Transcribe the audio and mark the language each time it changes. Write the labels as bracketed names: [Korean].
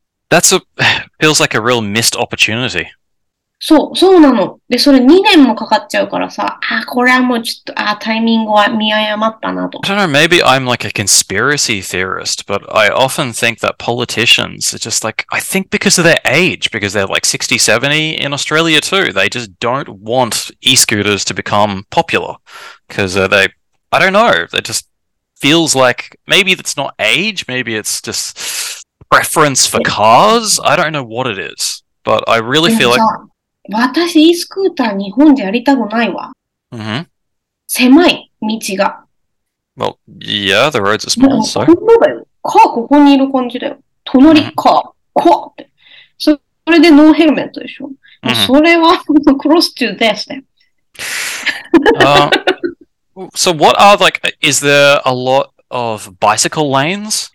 [English] that's a feels like a real missed opportunity. [Japanese] そう、そうなの。で、それ2年もかかっちゃうからさ、あ、これはもうちょっと、あ、タイミングは見誤ったなと。 [English] I don't know, maybe I'm like a conspiracy theorist, but I often think that politicians are just like, I think because of their age, because they're like 60, 70 in Australia too, they just don't want e-scooters to become popular. Because they, I don't know, it just feels like, maybe it's not age, maybe it's just preference for cars, I don't know what it is, but I really feel like... [Japanese] 私、e スクーター日本でやりたくないわ。 [English] Mm-hmm. [Japanese] 狭い、道が。 [English] Well, yeah, the roads are small, so. [Japanese] ここだよ。カーここにいる感じだよ。隣カー、怖って。それでノーヘルメットでしょ。 [English] Mm-hmm. [Japanese] それは、 [English] close to death [Japanese] だよ。 [English] So what are, like, is there a lot of bicycle lanes?